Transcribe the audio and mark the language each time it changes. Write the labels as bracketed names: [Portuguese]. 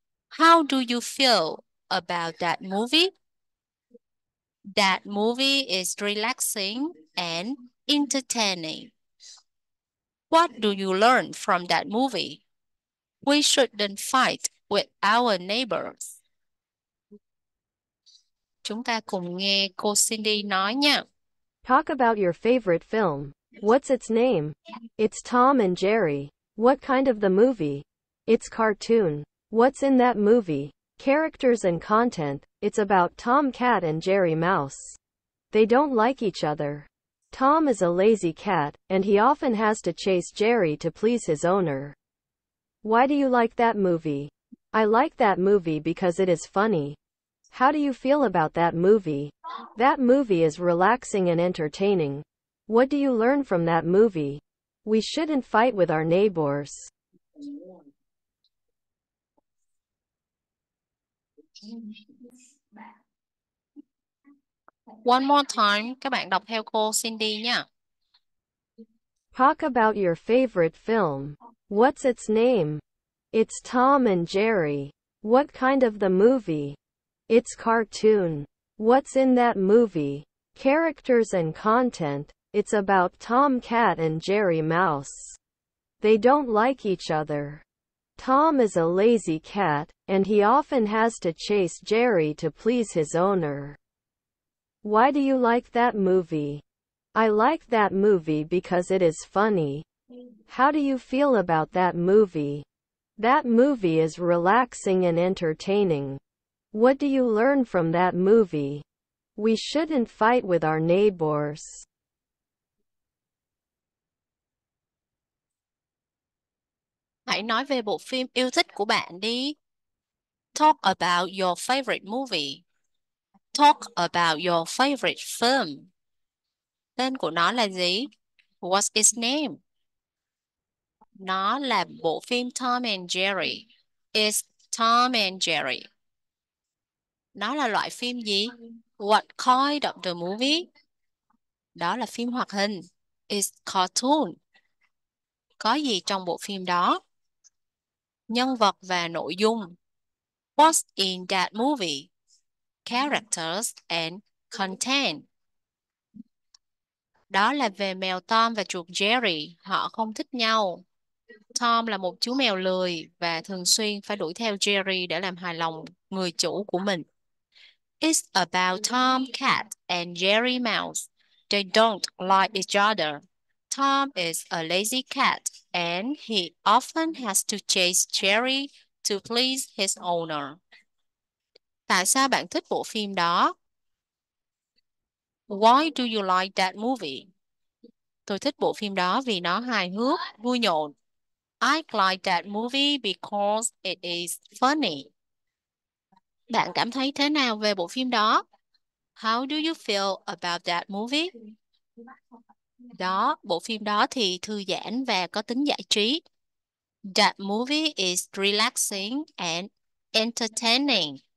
[English] How do you feel about that movie? That movie is relaxing and entertaining. What do you learn from that movie? We shouldn't fight with our neighbors. [Vietnamese] Chúng ta cùng nghe cô Cindy nói nha. [English] Talk about your favorite film. What's its name? It's Tom and Jerry. What kind of the movie? It's cartoon. What's in that movie? Characters and content. It's about Tomcat and Jerry Mouse. They don't like each other. Tom is a lazy cat, and he often has to chase Jerry to please his owner. Why do you like that movie? I like that movie because it is funny. How do you feel about that movie? That movie is relaxing and entertaining. What do you learn from that movie? We shouldn't fight with our neighbors. One more time, [Vietnamese] các bạn đọc theo cô Cindy nha. [English] Talk about your favorite film. What's its name? It's Tom and Jerry. What kind of the movie? It's cartoon. What's in that movie? Characters and content. It's about Tomcat and Jerry Mouse. They don't like each other. Tom is a lazy cat, and he often has to chase Jerry to please his owner. Why do you like that movie? I like that movie because it is funny. How do you feel about that movie? That movie is relaxing and entertaining. What do you learn from that movie? We shouldn't fight with our neighbors. [Vietnamese] Hãy nói về bộ phim yêu thích của bạn đi. [English] Talk about your favorite movie. Talk about your favorite film. [Vietnamese] Tên của nó là gì? [English] What's its name? [Vietnamese] Nó là bộ phim Tom and Jerry. [English] It's Tom and Jerry. [Vietnamese] Nó là loại phim gì? [English] What kind of the movie? [Vietnamese] Đó là phim hoạt hình. [English] It's cartoon. [Vietnamese] Có gì trong bộ phim đó? Nhân vật và nội dung. [English] What's in that movie? Characters and content. [Vietnamese] Đó là về mèo Tom và chuột Jerry. Họ không thích nhau. Tom là một chú mèo lười và thường xuyên phải đuổi theo Jerry để làm hài lòng người chủ của mình. [English] It's about Tom Cat and Jerry Mouse. They don't like each other. Tom is a lazy cat and he often has to chase Jerry to please his owner. [Vietnamese] Tại sao bạn thích bộ phim đó? [English] Why do you like that movie? [Vietnamese] Tôi thích bộ phim đó vì nó hài hước, vui nhộn. [English] I like that movie because it is funny. [Vietnamese] Bạn cảm thấy thế nào về bộ phim đó? [English] How do you feel about that movie? [Vietnamese] Đó, bộ phim đó thì thư giãn và có tính giải trí. [English] That movie is relaxing and entertaining.